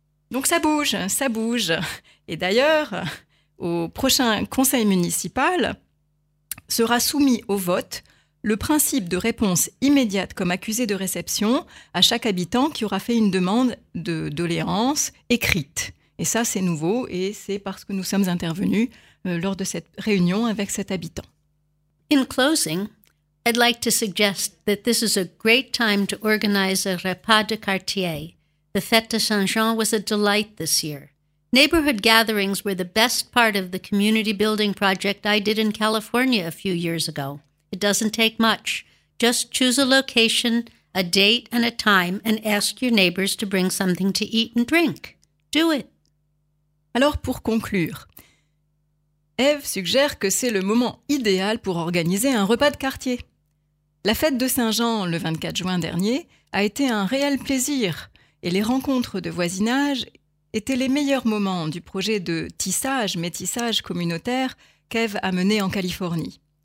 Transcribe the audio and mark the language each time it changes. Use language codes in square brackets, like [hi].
[fr] Donc ça bouge. Et d'ailleurs, au prochain conseil municipal sera soumis au vote le principe de réponse immédiate comme accusé de réception à chaque habitant qui aura fait une demande de doléance écrite. Et ça, c'est nouveau et c'est parce que nous sommes intervenus lors de cette réunion avec cet habitant. [en] In closing, I'd like to suggest that this is a great time to organize a repas de quartier. The Fête de Saint-Jean was a delight this year. Neighborhood gatherings were the best part of the community building project I did in California a few years ago. It doesn't take much. Just choose a location, a date, and a time, and ask your neighbors to bring something to eat and drink. Do it. [fr] Alors, pour conclure, Eve suggère que c'est le moment idéal pour organiser un repas de quartier. La fête de Saint-Jean, le 24 juin dernier, a été un réel plaisir et les rencontres de voisinage étaient les meilleurs moments du projet de tissage, métissage communautaire qu'Eve a mené en Californie.